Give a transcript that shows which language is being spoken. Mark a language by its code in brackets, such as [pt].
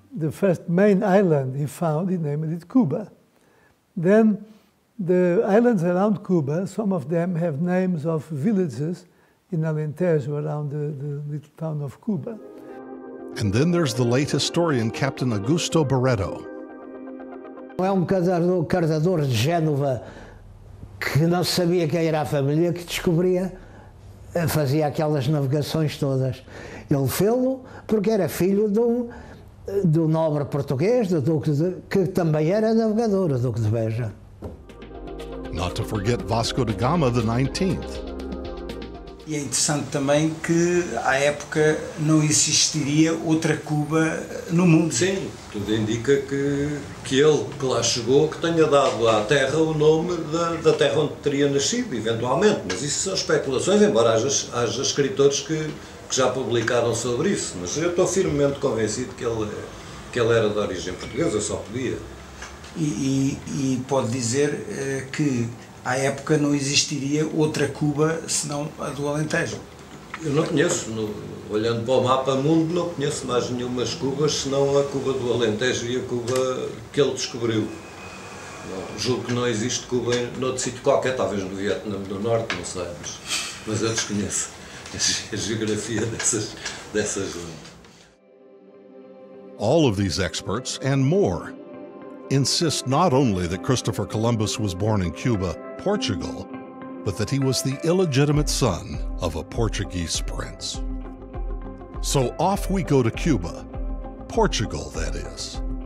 [en] The first main island he found, he named it Cuba. Then the islands around Cuba, some of them have names of villages in Alentejo around the little town of Cuba. And then there's the late historian, Captain Augusto Barreto. [pt] É cardador de Génova que não sabia quem era a família, que descobria, fazia aquelas navegações todas. Ele fê-lo porque era filho do nobre português, do Duque de, que também era navegador, o Duque de Beja. [en] Not to forget Vasco da Gama, the 19th. [pt] E é interessante também que, à época, não existiria outra Cuba no mundo. Sim, tudo indica que ele que lá chegou, que tenha dado à terra o nome da terra onde teria nascido, eventualmente. Mas isso são especulações, embora haja escritores que já publicaram sobre isso. Mas eu estou firmemente convencido que ele era de origem portuguesa, só podia. E pode dizer que... À época não existiria outra Cuba senão a do Alentejo. Eu não conheço, olhando para o mapa mundo, não conheço mais nenhuma Cuba senão a Cuba do Alentejo e a Cuba que ele descobriu. Bom, julgo que não existe Cuba em outro sítio qualquer, talvez no Vietnã do Norte, não sei, mas eu desconheço a geografia dessa zona. [en] All of these experts and more insist not only that Christopher Columbus was born in Cuba, Portugal, but that he was the illegitimate son of a Portuguese prince. So off we go to Cuba. Portugal, that is.